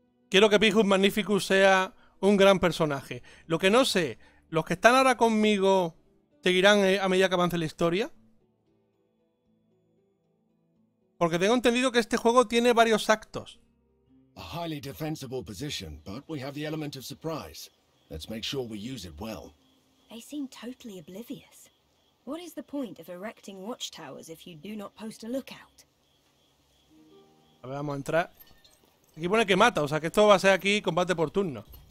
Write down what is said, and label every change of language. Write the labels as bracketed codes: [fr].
[es] Quiero que Pijus Magnificus sea un gran personaje. Lo que no sé, los que están ahora conmigo seguirán a medida que avance la historia. Porque tengo entendido que este juego tiene varios actos. [en] A highly defensible position, but we have the element of surprise. Let's make sure we use it well. They seem totally oblivious. What is the point of erecting watchtowers if you do not post a lookout? [es] A ver, vamos a entrar. Aquí pone que mata, o sea que esto va a ser aquí combate por turno.